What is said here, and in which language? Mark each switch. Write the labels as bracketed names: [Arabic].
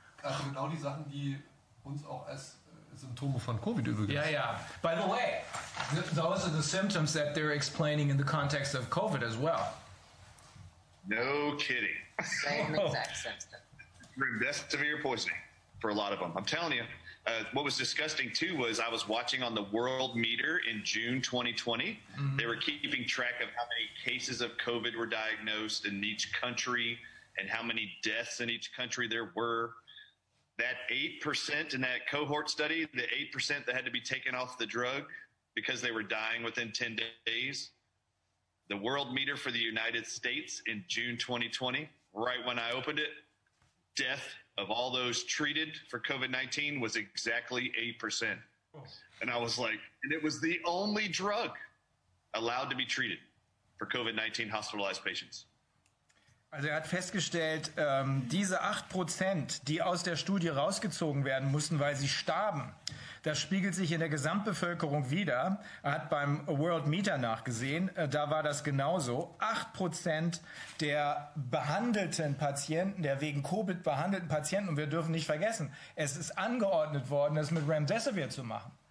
[German] Also genau die Sachen, die uns auch als Symptome von Covid übrigens. [English] Yeah, yeah. By the way, those are the symptoms that they're explaining in the context of Covid as well. No kidding. Same exact symptom. Remdesivir poisoning for a lot of them. I'm telling you, what was disgusting too was I was watching on the world meter in June 2020. Mm-hmm. They were keeping track of how many cases of Covid were diagnosed in each country and how many deaths in each country there were. That 8% in that cohort study, the 8% that had to be taken off the drug because they were dying within 10 days, the world meter for the United States in June 2020, right when I opened it, death of all those treated for COVID-19 was exactly 8%. And I was like, and it was the only drug allowed to be treated for COVID-19 hospitalized patients. [German] Also er hat festgestellt, diese 8%, die aus der Studie rausgezogen werden mussten, weil sie starben, das spiegelt sich in der Gesamtbevölkerung wider. Er hat beim World Meter nachgesehen, da war das genauso. 8% der behandelten Patienten, der wegen Covid behandelten Patienten, und wir dürfen nicht vergessen, es ist angeordnet worden, das mit Remdesivir zu machen.